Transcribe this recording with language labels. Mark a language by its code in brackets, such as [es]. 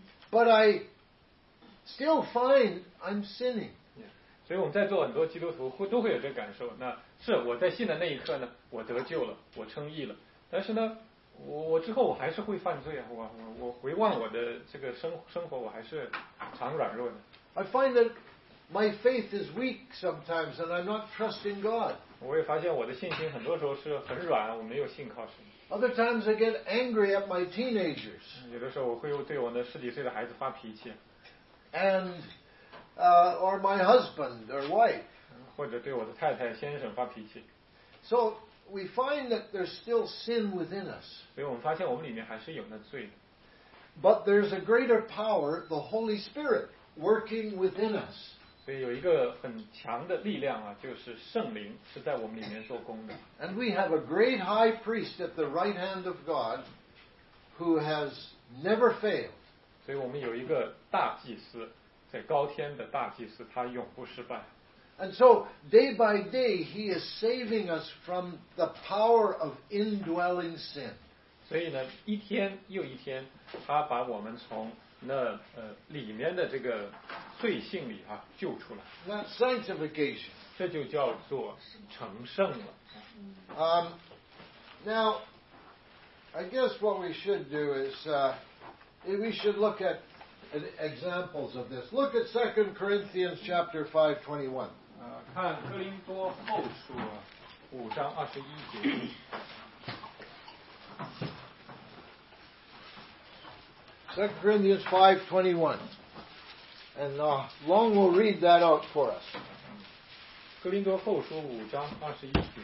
[en] But I still find I'm sinning. Yeah. [zh] 所以我们在座很多基督徒都会有这个感受，那是我在信的那一刻呢，我得救了，我称义了。但是呢，我之后我还是会犯罪啊，我回望我的这个生活，我还是常软弱的。 [en] I find that My faith is weak sometimes, and I'm not trusting God. [zh] 我也发现我的信心很多时候是很软，我没有信靠神。 [en] Other times I get angry at my teenagers. [zh] 有的时候我会对我的十几岁的孩子发脾气。 [en] And, or my husband or wife. [zh] 或者对我的太太先生发脾气。 [en] So we find that there's still sin within us. [zh] 所以我们发现我们里面还是有那罪的。 [en] But there's a greater power, the Holy Spirit, working within us. [zh] 所以有一个很强的力量啊，就是圣灵是在我们里面做工的。 [en] And we have a great high priest at the right hand of God who has never failed. [zh] 所以我们有一个大祭司，在高天的大祭司，他永不失败。 [en] And so day by day he is saving us from the power of indwelling sin. [zh] 所以呢，一天又一天，他把我们从那里面的这个罪性里啊救出来。 [en] That sanctification. [zh] 这就叫做成圣了。 [en] Now, I guess what we should do is we should look at examples of this. Look at 2 Corinthians chapter 5:21. [zh] 看哥林多后书五章二十一节。 [en] 2 Corinthians 5:21, and Long will read that out for us. [zh] 哥林多后书五章二十一节。